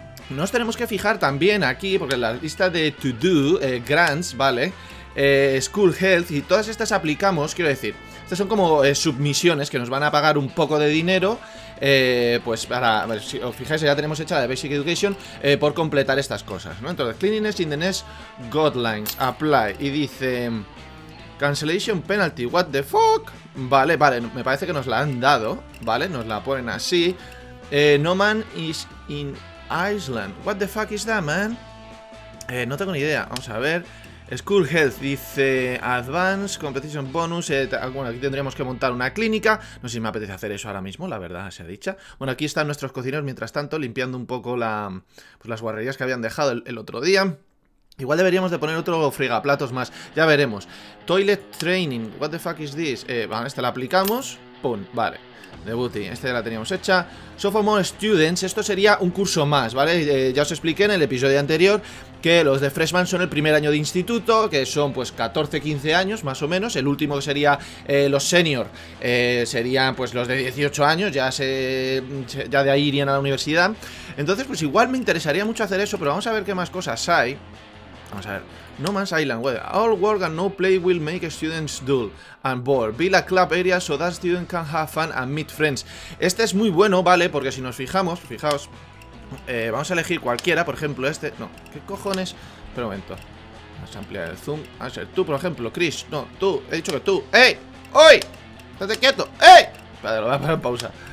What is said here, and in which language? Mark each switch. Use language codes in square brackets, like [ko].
[es] Nos tenemos que fijar también aquí, porque la lista de to do, grants, ¿vale? School health y todas estas aplicamos, quiero decir, estas son como submisiones que nos van a pagar un poco de dinero. Pues para, a ver, si os fijáis, ya tenemos hecha la de Basic Education por completar estas cosas, ¿no? Entonces, [en] cleanliness in the next guidelines, apply, [es] y dice... [en] Cancellation penalty, what the fuck. [es] Vale, vale, me parece que nos la han dado. Vale, nos la ponen así. [en] No man is in Iceland. What the fuck is that, man? [es] No tengo ni idea, vamos a ver. School health, dice advance, competition bonus. Bueno, aquí tendríamos que montar una clínica. No sé si me apetece hacer eso ahora mismo, la verdad, sea dicha. Bueno, aquí están nuestros cocineros, mientras tanto, limpiando un poco la, pues, las guarrerías que habían dejado el otro día. Igual deberíamos de poner otro fregaplatos más. Ya veremos. [en] Toilet training. What the fuck is this? [es] Vale, esta la aplicamos. Pum, vale. Debuti. Esta ya la teníamos hecha. Sophomore students. Esto sería un curso más, ¿vale? Ya os expliqué en el episodio anterior que los de freshman son el primer año de instituto, que son pues 14, 15 años más o menos. El último que sería los senior serían pues los de 18 años. Ya de ahí irían a la universidad. Entonces, pues igual me interesaría mucho hacer eso, pero vamos a ver qué más cosas hay. Vamos a ver. No Man's Island, weather. [en] All work and no play will make students dull and bored. Build a club area so that students can have fun and meet friends. [es] Este es muy bueno, ¿vale? Porque si nos fijamos, fijaos, vamos a elegir cualquiera, por ejemplo, este. No, ¿qué cojones? Espera un momento. Vamos a ampliar el zoom. A ver, tú, por ejemplo, Chris. No, tú, he dicho que tú. ¡Ey! ¡Oy! ¡Estate quieto! ¡Ey! Espérate, lo voy a poner en pausa.